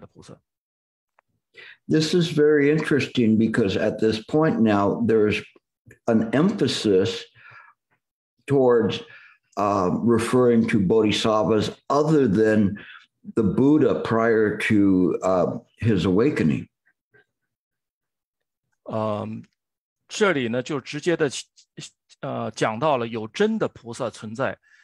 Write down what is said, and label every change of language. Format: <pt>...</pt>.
<zh>有实际的这种菩萨，就是在实际生活的菩萨，而不是这种记载的菩萨。</zh> <en>This is very interesting because at this point now there's an emphasis towards referring to bodhisattvas other than the Buddha prior to his awakening.</en> <zh>这里呢就直接的讲到了有真的菩萨存在</zh>